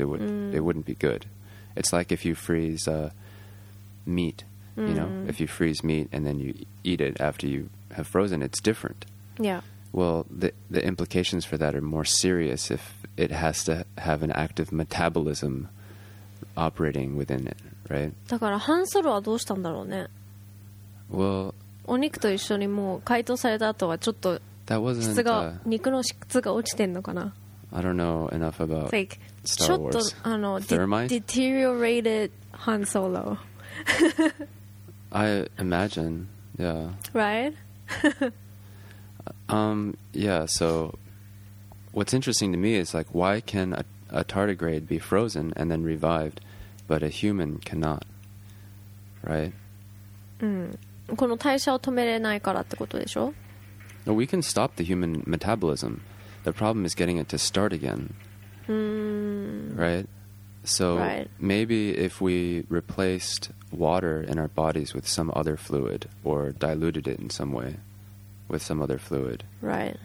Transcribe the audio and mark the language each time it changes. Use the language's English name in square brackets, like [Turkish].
[English] It wouldn't be good. It's like if you freeze meat, you know, if you freeze meat and then you eat it after you have frozen, it's different. Yeah. Well, the implications for that are more serious if it has to have an active metabolism operating within it, right? [Japanese] だから半ソロはどうしたんだろうね。 [English] Well, [Japanese] お肉と一緒にもう解凍された後はちょっと [English] that wasn't [Japanese] 質が肉の質が落ちてんのかな。 [English] I don't know enough about Star [Japanese] ちょっとあの [English] deteriorated [Japanese] Han Solo. [English] I imagine, yeah. Right? yeah, so what's interesting to me is like, why can a tardigrade be frozen and then revived, but a human cannot, right? [Japanese] この代謝を止めれないからってことでしょ? [English] We can stop the human metabolism. The problem is getting it to start again. Right? So right. Maybe if we replaced water in our bodies with some other fluid or diluted it in some way with some other fluid. Right.